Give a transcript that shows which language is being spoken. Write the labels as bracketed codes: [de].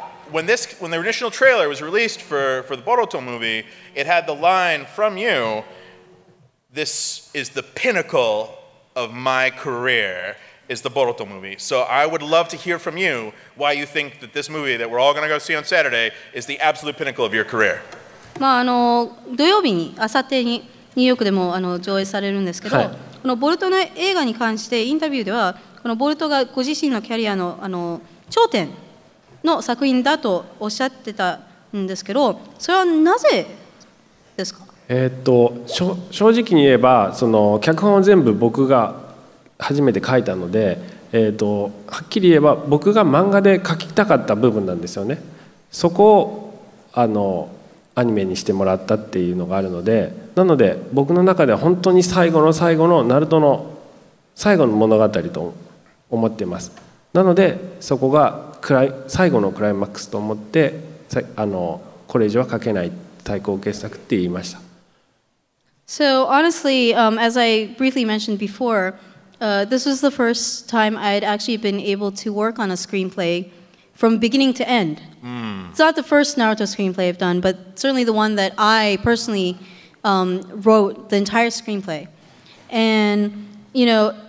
[en] When the initial trailer was released for the Boruto movie, it had the line from you, "This is the pinnacle of my career, is the Boruto movie." So I would love to hear from you why you think that this movie that we're all going to go see on Saturday is the absolute pinnacle of your career. [ja] まあ、あの土曜日に、あさってにニューヨークでもあの上映されるんですけど、はい、このボルトの映画に関してインタビューでは、このボルトがご自身のキャリア の頂点の作品だとおっしゃってたんですけど、それはなぜですか？正直に言えば、その脚本を全部僕が初めて書いたので、はっきり言えば僕が漫画で書きたかった部分なんですよね。そこをあのアニメにしてもらったっていうのがあるので、なので僕の中では本当に最後の最後のナルトの最後の物語と思っています。なのでそこが最後のクライマックスと思って、あのこれ以上は描けない最高傑作って言いました。 [en] So honestly, as I briefly mentioned before, this was the first time I'd actually been able to work on a screenplayFrom beginning to end. It's not the first Naruto screenplay I've done, but certainly the one that I personally wrote the entire screenplay. And, you know,